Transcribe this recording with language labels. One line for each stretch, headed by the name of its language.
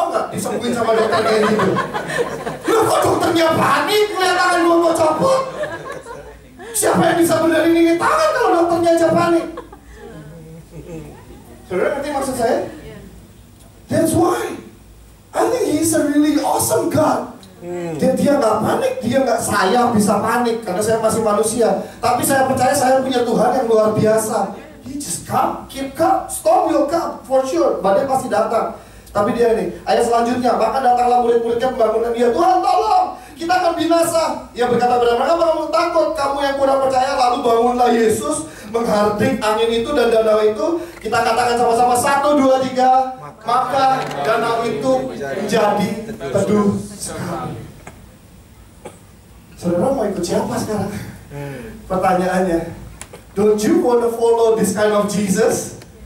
Indonesian: Disembuhin sama dokter kayak gitu. Loh kok dokternya panik melihat tangan gua mau copot? Siapa yang bisa benerin ini tangan kalau dokternya aja panik? Saudara ngerti maksud saya?
English: That's why I think he's a really awesome God.
Indonesian: Dan dia gak panik, dia gak saya bisa panik karena saya masih manusia. Tapi saya percaya saya punya Tuhan yang luar biasa.
English: He just come, keep calm, storm will come for sure.
Indonesian: Badai pasti datang. Tapi dia ini, ayat selanjutnya, maka datanglah murid-muridnya membangunkan dia, Tuhan tolong, kita akan binasa. Ia berkata kepada mereka, kamu takut, kamu yang kurang percaya, lalu bangunlah Yesus, menghardik angin itu dan danau itu. Kita katakan sama-sama, 1, 2, 3, maka danau itu menjadi teduh. Saudara mau ikut siapa sekarang? Pertanyaannya,
English: don't you want to follow this kind of Jesus?